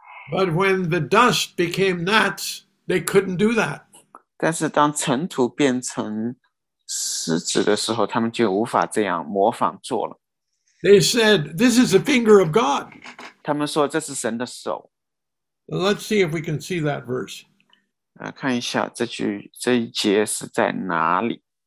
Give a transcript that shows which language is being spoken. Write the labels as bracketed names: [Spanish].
[English] But when the dust became gnats, they couldn't do that. [Chinese] 但是当尘土变成狮子的时候，他们就无法这样模仿做了。 [English] They said, "This is the finger of God." [Chinese] 他们说这是神的手。 [English] Let's see if we can see that verse. [Chinese] 看一下这句这一节是在哪里。